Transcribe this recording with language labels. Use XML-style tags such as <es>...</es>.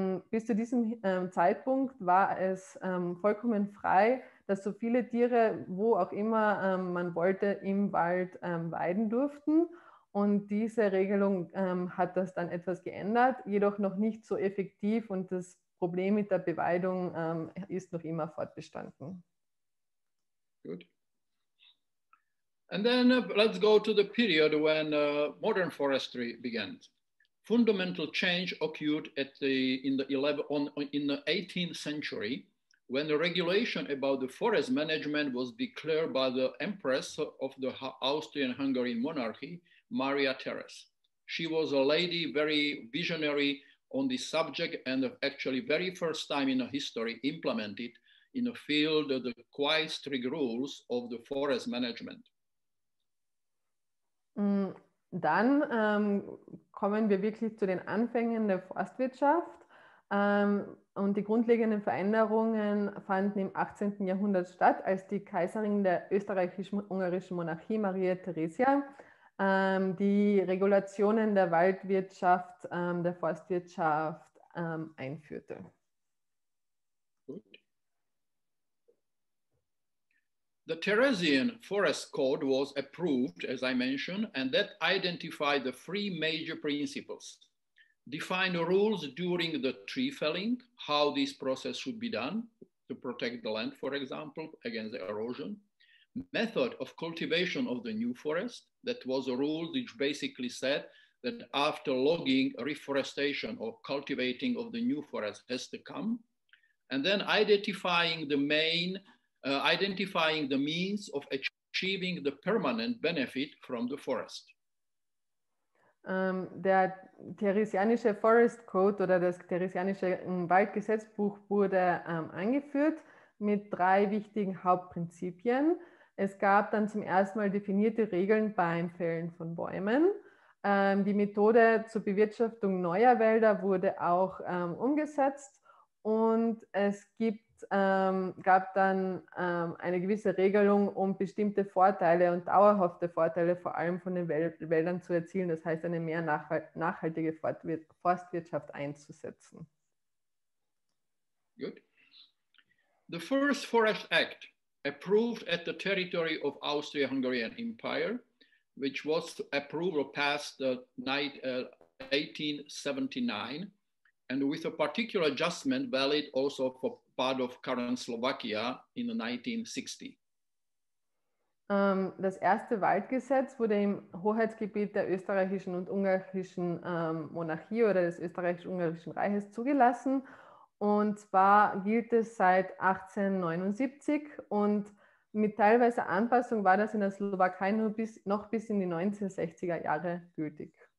<de>Bis zu diesem Zeitpunkt war es vollkommen frei, dass so viele Tiere, wo auch immer man wollte, im Wald weiden durften. Und diese Regelung hat das dann etwas geändert, jedoch noch nicht so effektiv, und das Problem mit der Beweidung ist noch immer fortbestanden.</de> <en>Good. And then let's go to the period when modern forestry began. Fundamental change occurred in the 18th century, when the regulation about the forest management was declared by the Empress of the Austrian-Hungarian monarchy, Maria Theresa. She was a lady very visionary on this subject, and actually very first time in history implemented in the field the quite strict rules of the forest management.</en> <de>Dann kommen wir wirklich zu den Anfängen der Forstwirtschaft. Und die grundlegenden Veränderungen fanden im 18. Jahrhundert statt, als die Kaiserin der österreichisch-ungarischen Monarchie, Maria Theresia, die Regulationen der Waldwirtschaft, der Forstwirtschaft einführte.</de> <en>Good. The Theresian Forest Code was approved, as I mentioned, and that identified the three major principles. Define rules during the tree felling, how this process should be done to protect the land, for example, against the erosion. Method of cultivation of the new forest, that was a rule which basically said that after logging, reforestation or cultivating of the new forest has to come. And then identifying the means of achieving the permanent benefit from the forest.</en> <de>Der Theresianische Forest Code oder das Theresianische Waldgesetzbuch wurde eingeführt mit drei wichtigen Hauptprinzipien. Es gab dann zum ersten Mal definierte Regeln beim Fällen von Bäumen. Die Methode zur Bewirtschaftung neuer Wälder wurde auch umgesetzt. Und es gab dann eine gewisse Regelung, um bestimmte Vorteile und dauerhafte Vorteile vor allem von den Wäldern zu erzielen, das heißt eine mehr nachhaltige Forstwirtschaft einzusetzen.</de> <en>Good. The first Forest Act approved at the territory of Austria-Hungarian Empire, which was approved or passed 1879, and with a particular adjustment valid also for part of current Slovakia in the 1960.</en> <de>Das erste Waldgesetz wurde im Hoheitsgebiet der österreichischen und ungarischen Monarchie oder des österreichisch-ungarischen Reiches zugelassen. Und zwar gilt es seit 1879 und mit teilweise Anpassung war das in der Slowakei nur bis in die 1960er Jahre gültig.</de>